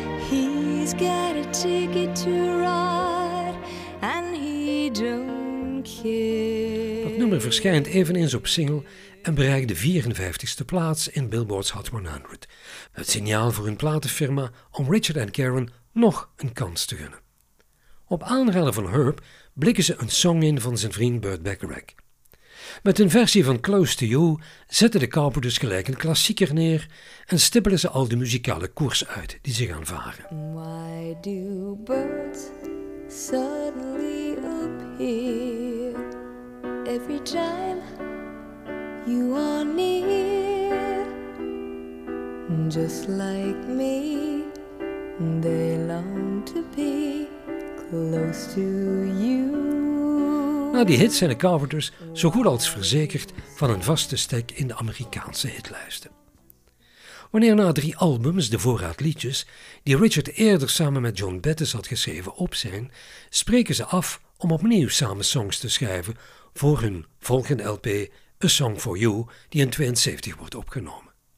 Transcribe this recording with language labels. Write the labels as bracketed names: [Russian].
[English] He's got a ticket to ride and he don't care. [Dutch] Dat nummer verschijnt eveneens op single en bereikt de 54ste plaats in Billboard's Hot 100. Het signaal voor hun platenfirma om Richard en Karen nog een kans te gunnen. Op aanraden van Herb blikken ze een song in van zijn vriend Burt Bacharach. Met een versie van Close to You zetten de Carpenters dus gelijk een klassieker neer en stippelen ze al de muzikale koers uit die ze gaan varen. [English] Why do birds suddenly appear every time you are near? Just like me, they long to be close to you. [Dutch] Na die hit zijn de Carpenters zo goed als verzekerd van een vaste stek in de Amerikaanse hitlijsten. wanneer na drie albums, de voorraad liedjes, die Richard eerder samen met John Bettis had geschreven, op zijn, spreken ze af om opnieuw samen songs te schrijven voor hun volgende LP, A Song For You, die in 1972 wordt opgenomen.